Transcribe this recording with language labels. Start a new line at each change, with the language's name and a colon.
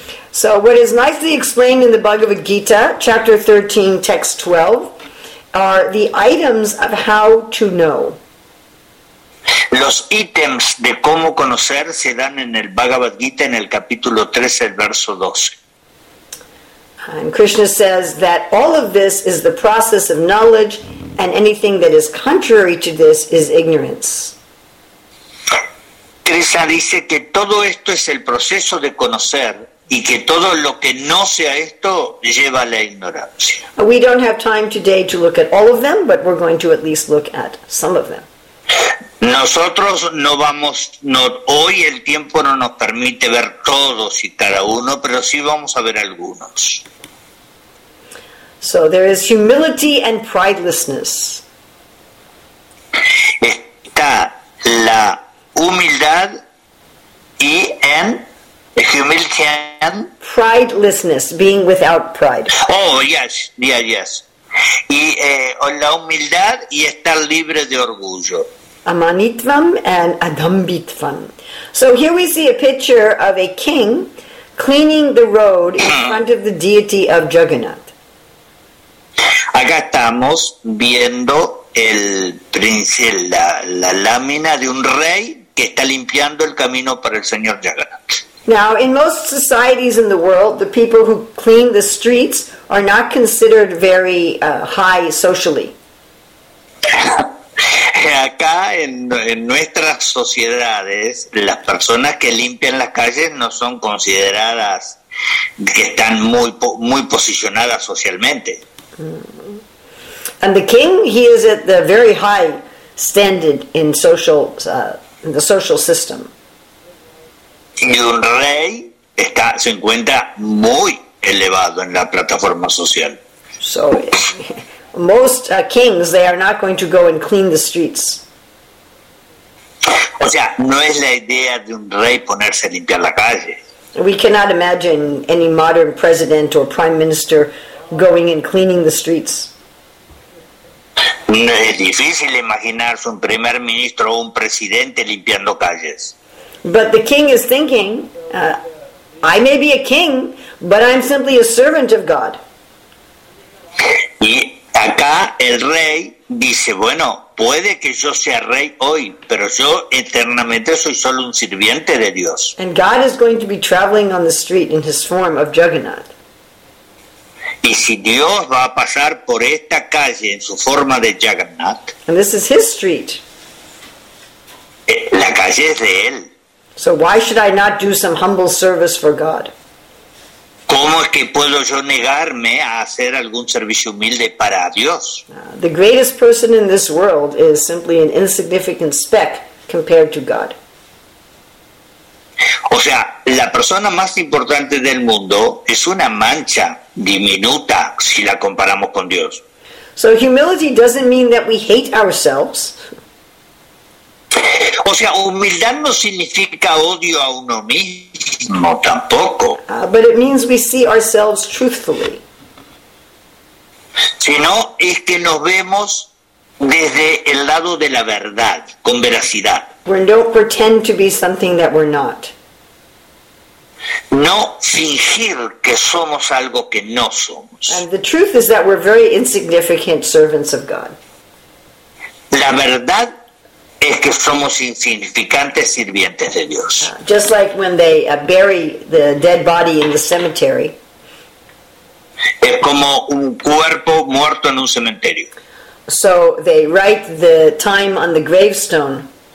English: So what is nicely explained in the Bhagavad Gita, chapter 13, text 12, are the items of how to know.
Spanish: Los ítems de cómo conocer se dan en el Bhagavad Gita en el capítulo 13, el verso 12.
English: And Krishna says that all of this is the process of knowledge, and anything that is contrary to this is ignorance.
Spanish: Krishna dice que todo esto es el proceso de conocer, y que todo lo que no sea esto lleva a la ignorancia.
English: We don't have time today to look at all of them, but we're going to at least look at some of them.
Spanish: Nosotros hoy el tiempo no nos permite ver todos y cada uno, pero sí vamos a ver algunos.
English: So there is humility and pridelessness.
Spanish: Está la humildad y en
English: humility and pridelessness, being without pride. Oh, yes, yeah, yes.
Spanish: Y la humildad y estar libre de orgullo.
Sanskrit: Amanitvam and adambitvam.
English: So here we see a picture of a king cleaning the road in front of the deity of Jagannath.
Spanish: Acá estamos viendo el pincel, la lámina de un rey que está limpiando el camino para el señor Jagannath.
English: Now, in most societies in the world, the people who clean the streets are not considered very high socially.
Spanish: acá en nuestras sociedades, las personas que limpian las calles no son consideradas que están muy muy posicionadas socialmente.
English: And the king, he is at the very high standard in social in the social system.
Spanish: Y un rey está, se encuentra muy elevado en la plataforma social.
English: So most kings, they are not going to go and clean the streets.
Spanish: O sea, no es la idea de un rey ponerse a limpiar la calle.
English: We cannot imagine any modern president or prime minister going and cleaning the streets.
Spanish: No es difícil imaginarse un primer ministro o un presidente limpiando calles.
English: But the king is thinking, I may be a king, but I'm simply a servant of God.
Spanish: Y acá el rey dice, bueno, puede que yo sea rey hoy, pero yo eternamente soy solo un sirviente de Dios.
English: And God is going to be traveling on the street in his form of Juggernaut.
Spanish: Y si Dios va a pasar por esta calle en su forma de Juggernaut.
English: And this is his street.
Spanish: La calle es de él.
English: So why should I not do some humble service for God?
Spanish: ¿Cómo es que puedo yo negarme a hacer algún servicio humilde para Dios?
English: The greatest person in this world is simply an insignificant speck compared to God.
Spanish: O sea, la persona más importante del mundo es una mancha diminuta si la comparamos con Dios.
English: So humility doesn't mean that we hate ourselves.
Spanish: O sea, humildad no significa odio a uno mismo, tampoco.
English: But it means we see ourselves truthfully.
Spanish: Sino es que nos vemos desde el lado de la verdad, con veracidad.
English: We don't pretend to be something that we're not.
Spanish: No fingir que somos algo que no somos.
English: And the truth is that we're very insignificant servants of God.
Spanish: La verdad es que somos insignificantes sirvientes de Dios.
English: Just like when they bury the dead body in the cemetery.
Spanish: Es como un cuerpo muerto en un cementerio.
English: So they write the time on the gravestone.